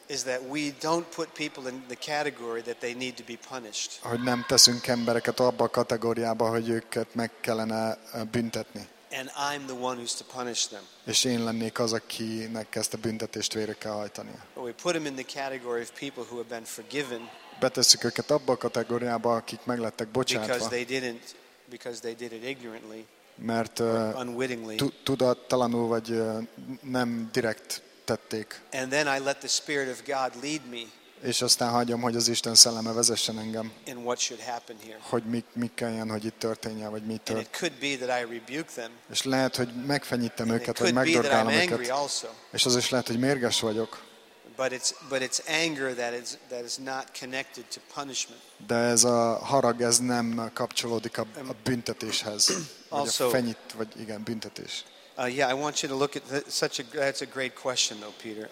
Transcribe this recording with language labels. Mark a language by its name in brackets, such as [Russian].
[English] Is that we don't put people in the category that they need to be punished. [Hungarian] Hogy nem teszünk embereket abba a kategóriába, hogy őket meg kellene büntetni. [English] And I'm the one who's to punish them. [Hungarian] És én lennék az, akinek ezt a büntetést végre kell hajtania. [English] But we put them in the category of people who have been forgiven. [Hungarian] Betesszük őket abba a kategóriába, akik meglettek bocsátva. [English] Because they did it ignorantly. [Hungarian] Mert [English] unwittingly. [Hungarian] Tudattalanul vagy nem direkt tették. [English] And then I let the Spirit of God lead me. [Hungarian] És aztán hagyom, hogy az Isten szelleme vezessen engem. [English] In what should happen here. [Hungarian] Hogy mi kelljen, hogy itt történjen, vagy mi tört. [English] And it could be that I rebuke them. [Hungarian] És lehet, hogy megfenyítem őket, vagy megdorgálom őket. És az is lehet, hogy mérges vagyok. [English] But it's anger that is not connected to punishment. [Hungarian] De ez a harag, ez nem kapcsolódik a büntetéshez. [English] Also, [Hungarian] vagy a fenyít, vagy igen, büntetés. [English] Yeah, I want you to look at that's a great question though, Peter.